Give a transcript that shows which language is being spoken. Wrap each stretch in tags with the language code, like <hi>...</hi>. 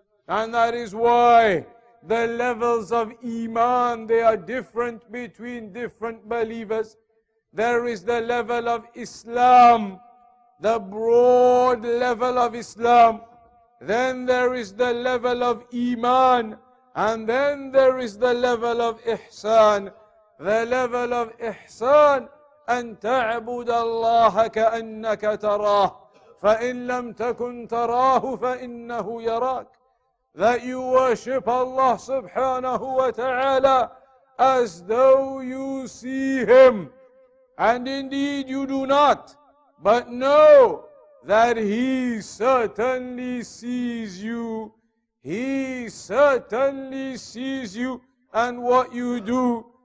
<en>And that is why the levels of iman, they are different between different believers. There is the level of Islam, the broad level of Islam. Then there is the level of iman. And then there is the level of ihsan. The level of ihsan,</en> <ar>أن تعبد الله كأنك تراه فإن لم تكن تراه فإنه يراك.</ar> <en>That you worship Allah subhanahu wa ta'ala as though you see him. And indeed you do not, but know that he certainly sees you. He certainly sees you and what you do.</en>